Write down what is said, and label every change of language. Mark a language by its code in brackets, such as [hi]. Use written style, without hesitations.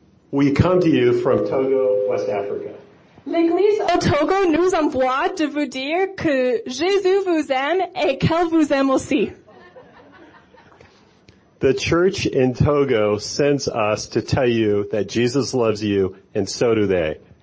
[en] We come to you from Togo, West Africa. [fr] L'Église au Togo nous envoie de vous dire que Jésus vous aime et qu'elle vous aime aussi. [en] The church in Togo sends us to tell you that Jesus loves you, and so do they.